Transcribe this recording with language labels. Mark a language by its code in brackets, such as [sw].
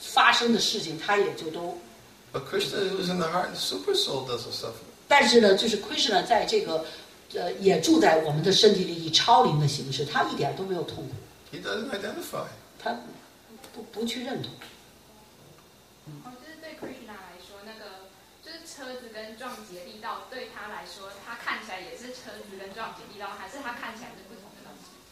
[zh] 因此他跟这个身体认同身体的所有发生的事情，他也就都。 [en] But Krishna who's in the heart and the super soul doesn't suffer. [zh] 但是呢，就是 Krishna 在这个也住在我们的身体里，以超灵的形式，他一点都没有痛苦。 [en] He doesn't identify. [zh] 他不去认同。就是对 Krishna 来说，那个就是车子跟撞击的力道，对他来说，他看起来也是车子跟撞击力道，还是他看起来是不同的东西。